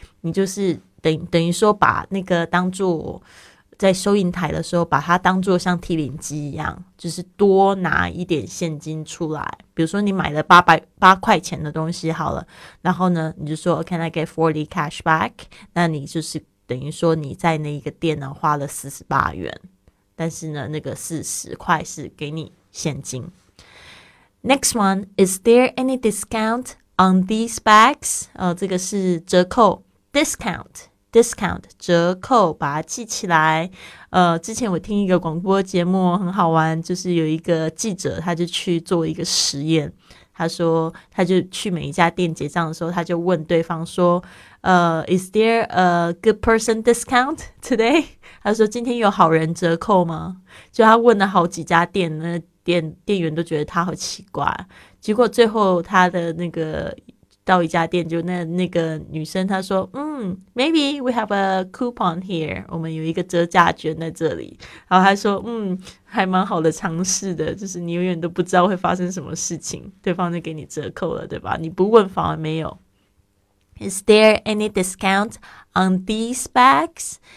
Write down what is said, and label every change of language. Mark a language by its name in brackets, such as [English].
[Chinese] 你就是等于说把那个当作在收银台的时候，把它当作像提领机一样，就是多拿一点现金出来。比如说你买了八块钱的东西好了，然后呢你就说 [English] Can I get $40 cash back? [Chinese] 那你就是等于说你在那一个店呢花了48元，但是呢那个40块是给你现金。 [English] Next one, is there any discount on these bags? [Chinese] 这个是折扣 discount 折扣，把它记起来。之前我听一个广播节目很好玩，就是有一个记者他就去做一个实验，他说他就去每一家店结账的时候，他就问对方说 [English] Is there a good person discount today? [Chinese] 他说今天有好人折扣吗？就他问了好几家店，那店员都觉得他好奇怪。结果最后他的那个到一家店，就那个女生她说 [English] maybe we have a coupon here， [Chinese] 我们有一个折价券在这里。然后她说还蛮好的尝试的，就是你永远都不知道会发生什么事情，对方就给你折扣了，对吧？你不问反而没有。 [English] Is there any discount on these bags?